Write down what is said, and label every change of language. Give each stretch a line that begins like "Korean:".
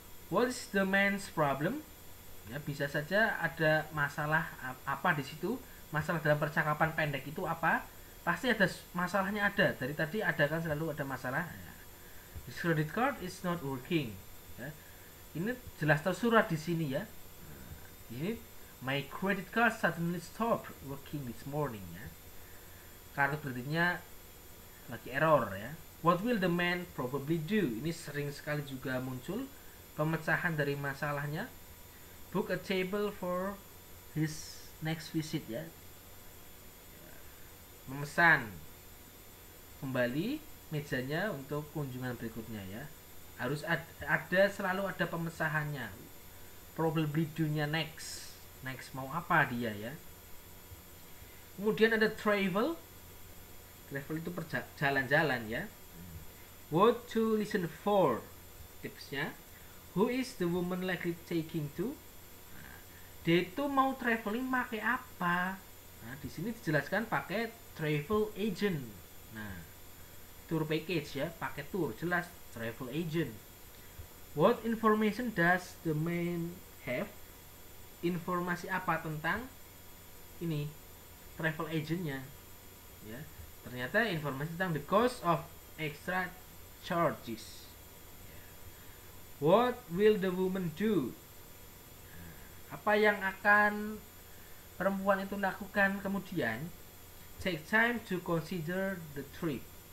English: What is the man's problem?
Indonesian: Ya, bisa saja ada masalah apa di situ. Masalah dalam percakapan pendek itu apa? Pasti ada masalahnya ada. Dari tadi ada kan selalu ada masalah.
English: This credit card is not working.
Indonesian: Ya. Ini jelas tersurat di sini ya.
English: Ini my credit card suddenly stopped working this morning ya.
Indonesian: Kartu kreditnya lagi error ya.
English: What will the man probably do?
Indonesian: Ini sering sekali juga muncul pemecahan dari masalahnya.
English: Book a table for his next visit ya.
Indonesian: Memesan kembali mejanya untuk kunjungan berikutnya ya. Harus ada selalu ada pemesahannya. Probably do-nya next. Next mau apa dia ya. Kemudian ada travel. Travel itu jalan-jalan ya.
English: What to listen for? Tipsnya. Who is the woman likely taking to?
Indonesian: Dia itu mau traveling pakai apa? Nah, di sini dijelaskan pakai travel agent. Nah, tour package ya, pakai tour jelas travel agent.
English: What information does the man have?
Indonesian: Informasi apa tentang ini travel agentnya? Ya, ternyata informasi tentang
English: the cost of extra charges. What will the woman do?
Indonesian: Apa yang akan perempuan itu lakukan kemudian?
English: Take time to consider the trip.